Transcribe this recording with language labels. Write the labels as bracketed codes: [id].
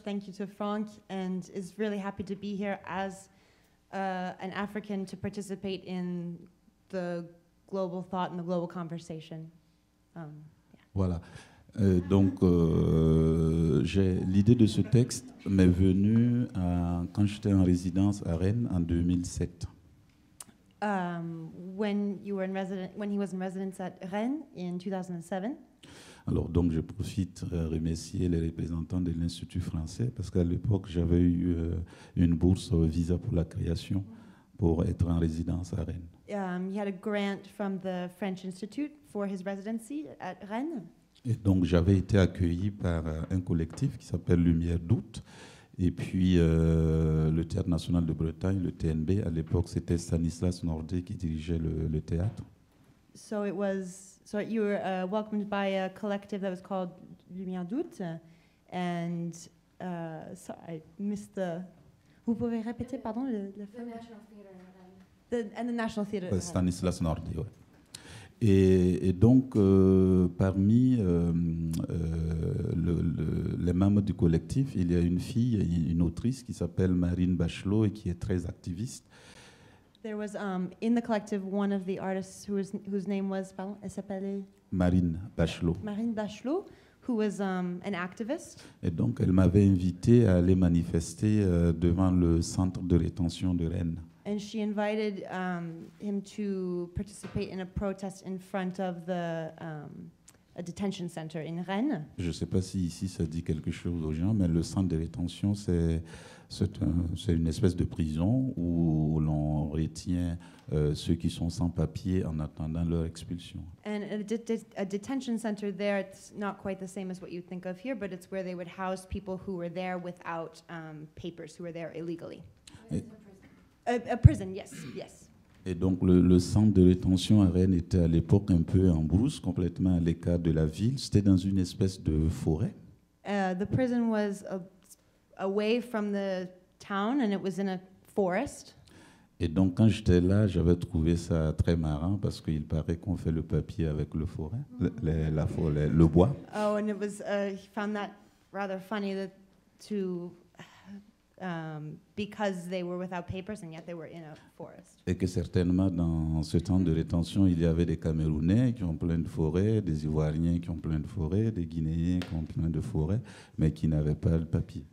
[en] Thank you to Franck, and is really happy to be here as an African to participate in the global thought and the global conversation. [fr] Voilà. L'idée de ce texte m'est venue quand j'étais en résidence à Rennes en 2007. [en] When he was in residence at Rennes in 2007. [fr] Alors, donc, je profite à remercier les représentants de l'Institut français, parce qu'à l'époque, j'avais eu une bourse au visa pour la création pour être en résidence à Rennes. [en] He had a grant from the French Institute for his residency at Rennes. [fr] Et donc, j'avais été accueilli par un collectif qui s'appelle Lumière d'août, et puis le Théâtre national de Bretagne, le TNB. À l'époque, c'était Stanislas Nordet qui dirigeait le théâtre. [en] So it was... So you were welcomed by a collective that was called Lumière d'août, and sorry, I missed the. [fr] Vous pouvez répéter, pardon, [en] the National Theatre. The National Theatre. Stanislas Nordet. [fr] Et donc, parmi les membres du collectif, il y a une fille, une autrice qui s'appelle Marine Bachelot et qui est très activiste. [en] There was in the collective one of the artists whose name was, pardon, [fr] elle s'appelait [en] Marine Bachelot. Marine Bachelot, who was an activist. [fr] Et donc, elle m'avait invité à aller manifester devant le centre de rétention de Rennes. [en] And she invited him to participate in a protest in front of the a detention center in Rennes. [fr] Je sais pas si ici ça dit quelque chose aux gens, mais le centre de rétention c'est une espèce de prison où l'on retient ceux qui sont sans papiers en attendant leur expulsion. [en] And a detention center there, it's not quite the same as what you think of here, but it's where they would house people who were there without papers, who were there illegally. A prison, yes. [fr] Et donc le centre de rétention à Rennes était à l'époque un peu en brousse, complètement à l'écart de la ville. C'était dans une espèce de forêt. [en] The prison was away from the town and it was in a forest. [fr] Et donc quand j'étais là, j'avais trouvé ça très marrant parce qu'il paraît qu'on fait le papier avec le forêt, le bois. [en] Oh, and it was he found that rather funny that to because they were without papers and yet they were in a forest. [fr] Et que certainement dans ce temps de rétention, il y avait des Camerounais qui ont plein de forêts, des Ivoiriens qui ont plein de forêts, des Guinéens qui ont plein de forêts, mais qui n'avaient pas le papier.